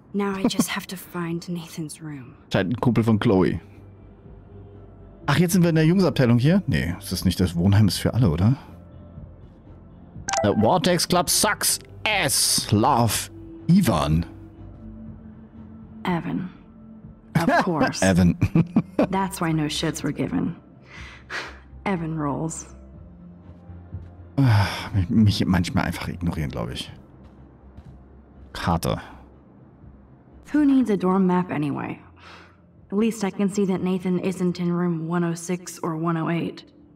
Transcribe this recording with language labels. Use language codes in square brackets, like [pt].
[en] Now I just have to find Nathan's room. [de] Scheint ein Kumpel von Chloe. Ach, jetzt sind wir in der Jungsabteilung hier? Nee, ist das nicht das Wohnheim ist für alle, oder? [en] The Vortex Club sucks ass. Love, Ivan. Evan. Of course. Evan. That's why no shits were given. Evan rolls. [de] Mich manchmal einfach ignorieren, glaube ich. Carter. [en] Who needs a dorm map anyway? At least I can see that Nathan isn't in room 106 or 108.